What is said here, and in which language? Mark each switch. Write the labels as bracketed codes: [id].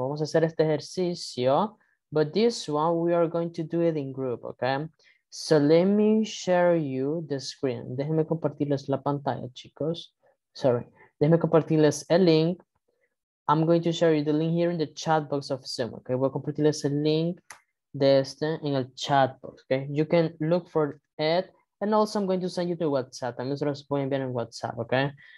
[es] Vamos a hacer este ejercicio, [en] but this one we are going to do it in group, okay? So let me share you the screen. [es] Déjenme compartirles la pantalla, chicos. [en] Sorry. [es] Déjenme compartirles el link. [en] I'm going to share you the link here in the chat box of Zoom, okay? [es] Voy a compartirles el link de este en el chat box, okay? [en] You can look for it, and also I'm going to send you to WhatsApp. [es] También se los voy a enviar en WhatsApp, okay?